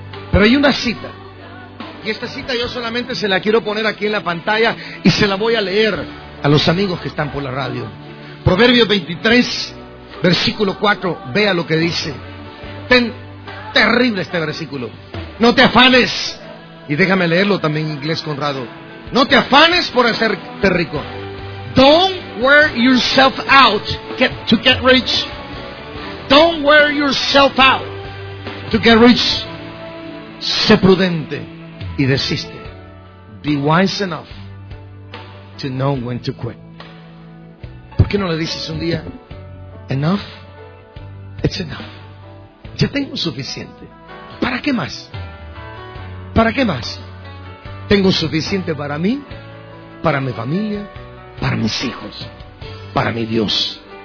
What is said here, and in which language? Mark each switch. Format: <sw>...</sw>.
<es>Pero hay una cita, y esta cita yo solamente se la quiero poner aquí en la pantalla y se la voy a leer a los amigos que están por la radio. Proverbios 23, versículo 4, vea lo que dice. Ten terrible este versículo. No te afanes, y déjame leerlo también en inglés, Conrado. No te afanes por hacerte rico.</es> <en>Don't wear yourself out to get rich. Don't wear yourself out to get rich.</en> <es>Sé prudente y desiste.</es> <en>Be wise enough to know when to quit.</en> <es>¿Por qué no le dices un día, enough?</es> <en>It's enough.</en> <es>Ya tengo suficiente. ¿Para qué más? ¿Para qué más? Tengo suficiente para mí, para mi familia, para mis hijos, para mi Dios.</es>